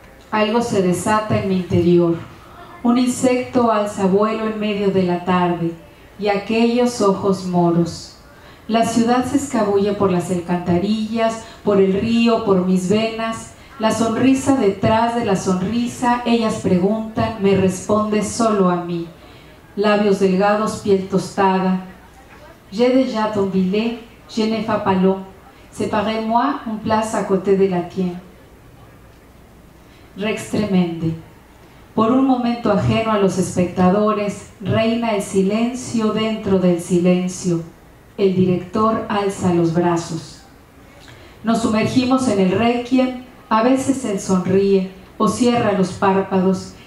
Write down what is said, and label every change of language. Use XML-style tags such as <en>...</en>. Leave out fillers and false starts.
<es>Algo se desata en mi interior. Un insecto alza vuelo en medio de la tarde. Y aquellos ojos moros. La ciudad se escabulle por las alcantarillas, por el río, por mis venas. La sonrisa detrás de la sonrisa, ellas preguntan, me responde solo a mí. Labios delgados, piel tostada.</es> <fr>J'ai déjà ton billet, je ne fais pas long. Séparez-moi un place à côté de la tienne.</fr> <la>Rex tremende.</la> <es>Por un momento ajeno a los espectadores, reina el silencio dentro del silencio. El director alza los brazos. Nos sumergimos en el requiem. A veces él sonríe o cierra los párpados.</es>